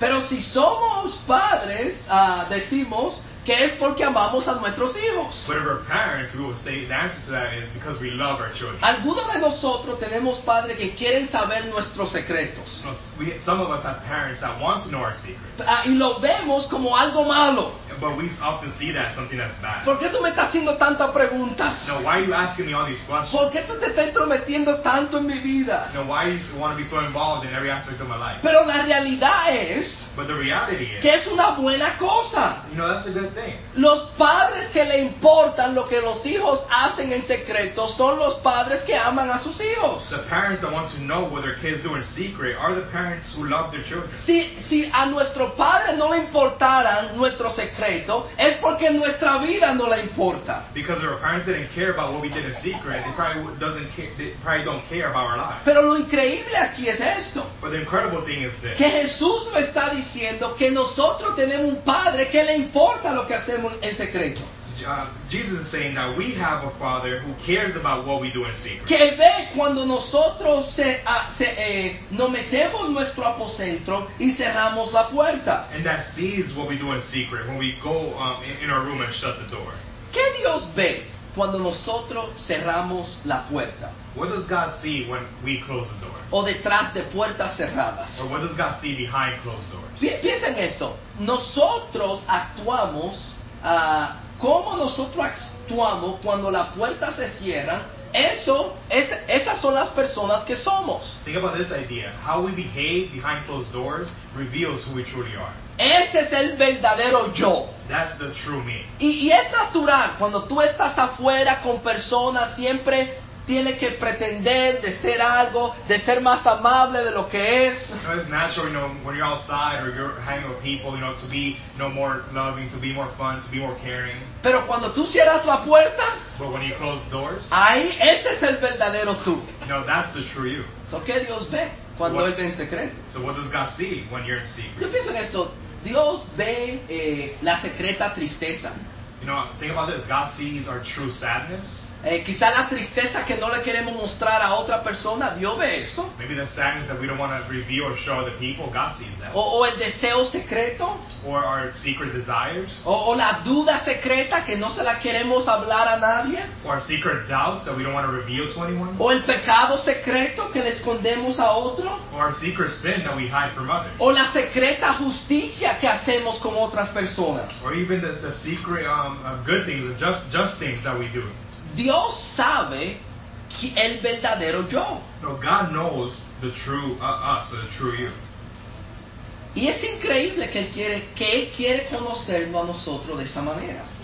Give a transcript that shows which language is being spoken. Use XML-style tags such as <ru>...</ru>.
<es>Pero si somos padres, decimos que es porque amamos a nuestros hijos.</es> <en>But if we're parents, we will say the answer to that is because we love our children.</en> <es>Algunos de nosotros tenemos padres que quieren saber nuestros secretos.</es> <en>Some of us have parents that want to know our secrets.</en> <es>Y lo vemos como algo malo.</es> <en>But we often see that as something that's bad.</en> <es>¿Por qué tú me estás haciendo tantas preguntas?</es> <en>No, why are you asking me all these questions?</en> <es>¿Por qué tú te estás intrometiendo tanto en mi vida?</es> <en>No, why do you want to be so involved in every aspect of my life?</en> <es>Pero la realidad es...</es> <en>But the reality is,</en> <es>que es una buena cosa.</es> <en>You know, that's a good thing.</en> <es>Los padres que le importan lo que los hijos hacen en secreto son los padres que aman a sus hijos.</es> <en>The parents that want to know what their kids do in secret are the parents who love their children.</en> <es>Si a nuestro padre no le importaran nuestro secreto, es porque nuestra vida no le importa.</es> <en>Because if our parents didn't care about what we did in secret, they probably don't care about our lives.</en> <es>Pero lo increíble aquí es esto.</es> <en>But the incredible thing is this.</en> <es>Que Jesús no está diciendo que nosotros tenemos un padre que le importa lo que hacemos en secreto.</es> <en>Jesus is saying that we have a father who cares about what we do in secret.</en> <es>Que ve cuando nosotros nos metemos en nuestro aposento y cerramos la puerta.</es> <en>And that sees what we do in secret when we go in our room and shut the door.</en> <es>¿Qué Dios ve cuando nosotros cerramos la puerta?</es> <en>What does God see when we close the door?</en> <es>O detrás de puertas cerradas.</es> <en>Or what does God see behind closed doors?</en> <es>Piensa en esto. Nosotros actuamos, como nosotros actuamos cuando la puerta se cierra, esas son las personas que somos.</es> <en>Think about this idea. How we behave behind closed doors reveals who we truly are.</en> <es>Ese es el verdadero yo.</es> <en>That's the true me.</en> <es>Y es natural cuando tú estás afuera con personas siempre... Tiene que pretender de ser algo, de ser más amable de lo que es.</es> <en>You know, it's natural, you know, when you're outside or you're hanging with people, you know, to be, you know, more loving, to be more fun, to be more caring.</en> <es>Pero cuando tú cierras la puerta,</es> <en>but when you close the doors,</en> <es>ahí ese es el verdadero tú.</es> <en>You know, that's the true you.</en> <es>So, ¿qué Dios ve cuando él ve en secreto?</es> <en>So what does God see when you're in secret?</en> <es>Yo pienso en esto. Dios ve la secreta tristeza.</es> <en>You know, think about this. God sees our true sadness.</en> <es>Quizá la tristeza que no le queremos mostrar a otra persona, Dios ve eso.</es> <en>Maybe the sadness that we don't want to reveal or show other people, God sees that.</en> <es>O el deseo secreto.</es> <en>Or our secret desires.</en> <es>O la duda secreta que no se la queremos hablar a nadie.</es> <en>Or our secret doubts that we don't want to reveal to anyone.</en> <es>O el pecado secreto que le escondemos a otro.</es> <en>Or our secret sin that we hide from others.</en> <es>O la secreta justicia que hacemos con otras personas.</es> <en>Or even the secret good things, just things that we do.</en> <es>Dios sabe el verdadero yo.</es> <en>No, God knows the true us, the true you.</en> <es>Y es increíble que él quiere conocernos a nosotros de esa manera.</es>